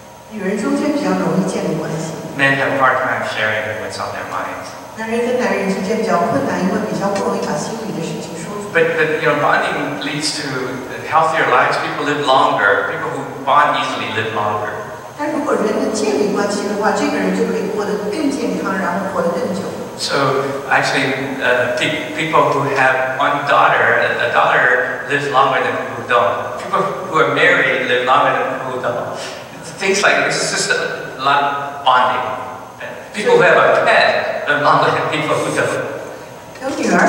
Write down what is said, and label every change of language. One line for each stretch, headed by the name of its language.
Chinese: 女人中间比较容易建立关系。
English: Men have a hard time sharing what's on their minds.
Chinese: 男人跟男人之间比较困难，因为比较不容易把心里的事情说出来。
English: But you know, bonding leads to healthier lives. People live longer. People who bond easily live longer.
Chinese: 但如果人能建立关系的话，这个人就可以活得更健康，然后活得更久。
English: So actually, people who have one daughter, a daughter lives longer than people who don't. People who are married live longer than people who don't. Things like this is just a lot of bonding. People who have a pet live longer than people who don't.